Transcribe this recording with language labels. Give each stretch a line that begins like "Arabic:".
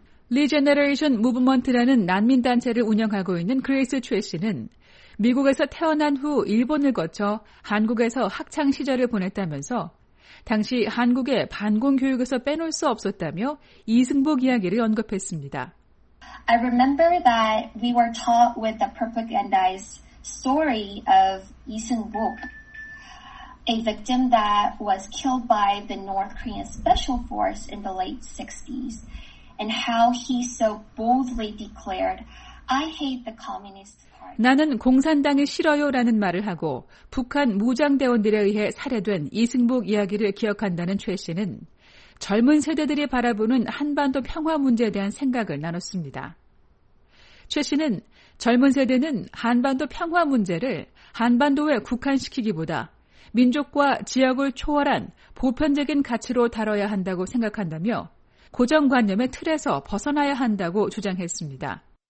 Korean: 리제너레이션 무브먼트라는 난민단체를 운영하고 있는 그레이스 최 씨는 미국에서 태어난 후 일본을 거쳐 한국에서 학창시절을 보냈다면서 당시 한국의 반공 교육에서 빼놓을 수 없었다며 이승복 이야기를 언급했습니다.
English: I remember that we were taught with the propagandized story of 이승복, a victim that was killed by the North Korean special force in the late 60s, and how he so boldly declared, "I hate the communist party."
Korean: 나는 공산당이 싫어요라는 말을 하고 북한 무장대원들에 의해 살해된 이승복 이야기를 기억한다는 최 씨는 젊은 세대들이 바라보는 한반도 평화 문제에 대한 생각을 나눴습니다. 최 씨는 젊은 세대는 한반도 평화 문제를 한반도에 국한시키기보다 민족과 지역을 초월한 보편적인 가치로 다뤄야 한다고 생각한다며 고정관념의 틀에서 벗어나야 한다고 주장했습니다.